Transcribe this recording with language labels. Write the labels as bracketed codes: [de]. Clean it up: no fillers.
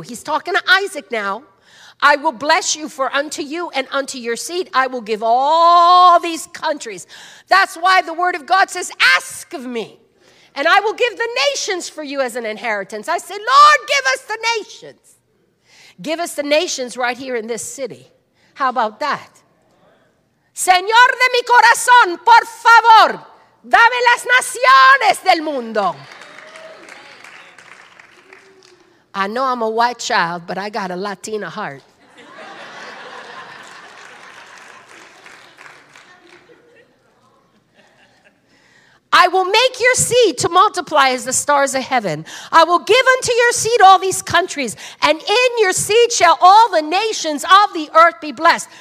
[en] He's talking to Isaac now. I will bless you, for unto you and unto your seed I will give all these countries. That's why the word of God says, ask of me, and I will give the nations for you as an inheritance. I said, Lord, give us the nations. Give us the nations right here in this city. How about that? [es] Señor de mi corazón, por favor, dame las naciones del mundo. [en] I know I'm a white child, but I got a Latina heart. I I will make your seed to multiply as the stars of heaven. I will give unto your seed all these countries, and in your seed shall all the nations of the earth be blessed.